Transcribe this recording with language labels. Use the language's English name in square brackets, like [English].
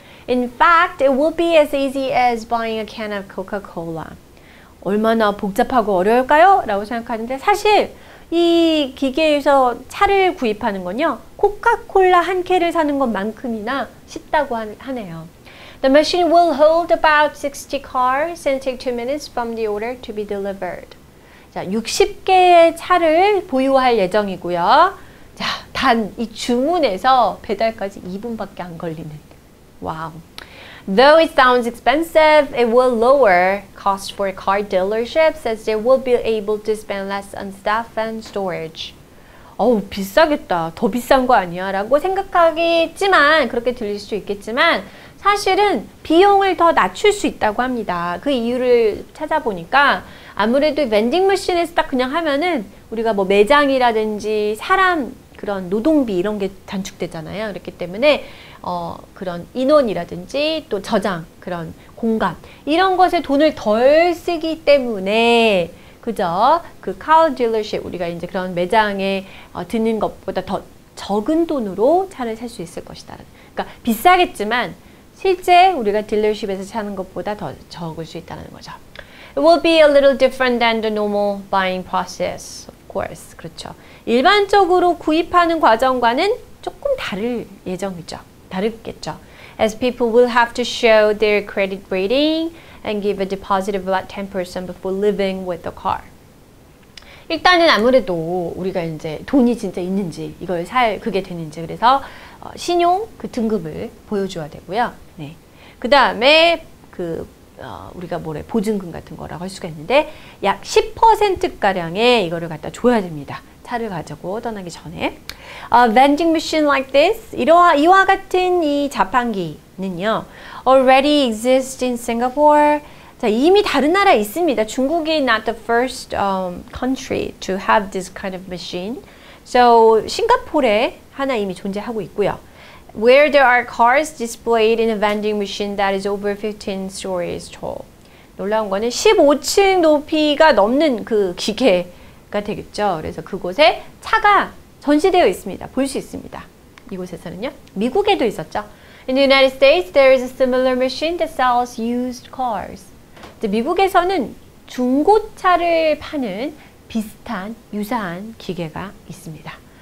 [English] In fact, it will be as easy as buying a can of Coca-Cola. [Korean] 얼마나 복잡하고 어려울까요? 라고 생각하는데, 사실 이 기계에서 차를 구입하는 건요, 코카콜라 한 캔을 사는 것만큼이나 쉽다고 하네요. [English] The machine will hold about 60 cars and take 2 minutes from the order to be delivered. [Korean] 자, 60개의 차를 보유할 예정이고요. 자, 단 이 주문에서 배달까지 2분밖에 안 걸리는. [English] 와우. Though it sounds expensive, it will lower cost for car dealerships as they will be able to spend less on staff and storage. [Korean] 어우, 비싸겠다. 더 비싼 거 아니야? 라고 생각하겠지만, 그렇게 들릴 수 있겠지만, 사실은 비용을 더 낮출 수 있다고 합니다. 그 이유를 찾아보니까, 아무래도 vending machine에서 딱 그냥 하면은, 우리가 뭐 매장이라든지 사람, 그런 노동비 이런 게 단축되잖아요. 그렇기 때문에 그런 인원이라든지 또 저장, 그런 공간 이런 것에 돈을 덜 쓰기 때문에 그죠? 그 car dealership 우리가 이제 그런 매장에 드는 것보다 더 적은 돈으로 차를 살 수 있을 것이다. 그러니까 비싸겠지만 실제 우리가 딜러십에서 사는 것보다 더 적을 수 있다는 거죠. [English] It will be a little different than the normal buying process. [Korean] Course. 그렇죠. 일반적으로 구입하는 과정과는 조금 다를 예정이죠. 다르겠죠. [English] As people will have to show their credit rating and give a deposit of about 10% before living with the car. [Korean] 일단은 아무래도 우리가 이제 돈이 진짜 있는지 이걸 살 그게 되는지 그래서 신용 그 등급을 보여줘야 되고요. 네. 그 다음에 그 우리가 뭐래 보증금 같은 거라고 할 수가 있는데 약 10% 가량의 이거를 갖다 줘야 됩니다. 차를 가지고 떠나기 전에 [English] A vending machine like this [Korean] 이와 같은 이 자판기는요 [English] already exists in Singapore. [Korean] 자, 이미 다른 나라에 있습니다. [English] 중국이 not the first country to have this kind of machine. [Korean] So 싱가포르에 하나 이미 존재하고 있고요. [English] Where there are cars displayed in a vending machine that is over 15 stories tall. [Korean] 놀라운 거는 15층 높이가 넘는 그 기계가 되겠죠. 그래서 그곳에 차가 전시되어 있습니다. 볼 수 있습니다. 이곳에서는요. 미국에도 있었죠. [English] In the United States, there is a similar machine that sells used cars. [Korean] 이제 미국에서는 중고차를 파는 비슷한, 유사한 기계가 있습니다.